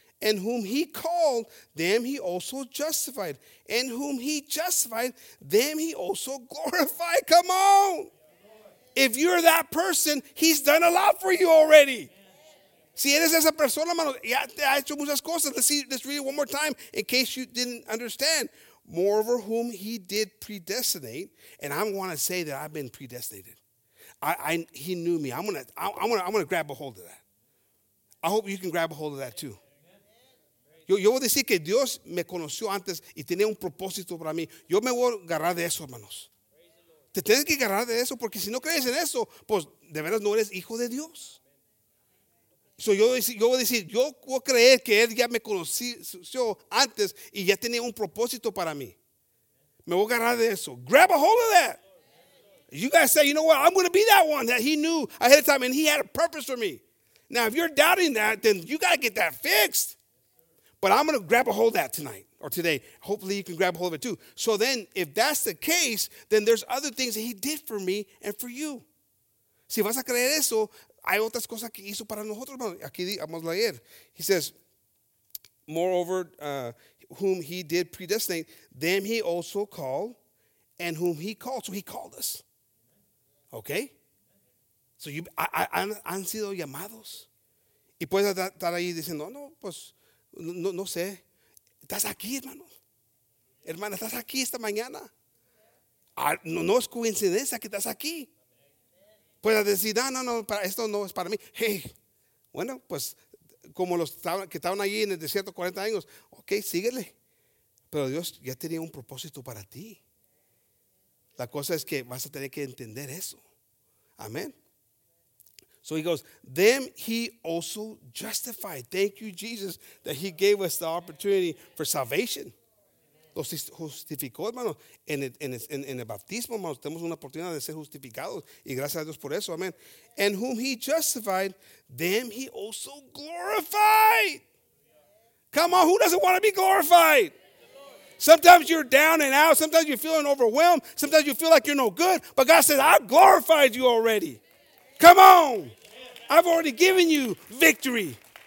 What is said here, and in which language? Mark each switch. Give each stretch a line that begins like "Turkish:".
English: And whom he called, them he also justified. And whom he justified, them he also glorified. Come on. If you're that person, he's done a lot for you already.
Spanish: Si eres esa persona, hermano, ya te ha hecho muchas cosas.
English: Let's read it one more time in case you didn't understand. Moreover, whom he did predestinate, and I want to say that I've been predestinated. He knew me. I'm gonna grab a hold of that. I hope you can grab a hold of that too.
Spanish: Yo voy a decir que Dios me conoció antes y tenía un propósito para mí. Yo me voy a agarrar de eso, hermanos. Te tienes que agarrar de eso porque si no crees en eso, pues de veras no eres hijo de Dios. So yo voy a decir, yo voy a creer que Él ya me conoció antes y ya tenía un propósito para mí. Me voy a agarrar de eso.
English: Grab a hold of that. You guys say, you know what, I'm going to be that one that He knew ahead of time and He had a purpose for me. Now, if you're doubting that, then you got to get that fixed. But I'm going to grab a hold of that tonight or today. Hopefully you can grab a hold of it too. So then if that's the case, then there's other things that He did for me and for you.
Spanish: Si vas a creer eso, hay otras cosas que hizo para nosotros. Aquí vamos a leer.
English: He says, moreover, whom he did predestinate, them he also called, and whom he called. So he called us. Okay?
Spanish: So you han sido llamados. Y puedes estar ahí diciendo, no, pues, no sé. Estás aquí, hermano. Hermana, estás aquí esta mañana. No es coincidencia que estás aquí. Puedes decir, no, para esto no es para mí. Hey, bueno, pues como los que estaban allí en el desierto 40 años, ok, síguele. Pero Dios ya tenía un propósito para ti. La cosa es que vas a tener que entender eso.
English: Amén. So he goes, them he also justified. Thank you, Jesus, that he gave us the opportunity for salvation.
Spanish: Los justificó, hermano, en el bautismo, hermano, tenemos una oportunidad de ser justificados y gracias a Dios por eso, amén.
English: And whom he justified, them he also glorified. Come on, who doesn't want to be glorified? Sometimes you're down and out, sometimes you're feeling overwhelmed, sometimes you feel like you're no good, but God says, I've glorified you already. Come on, I've already given you victory.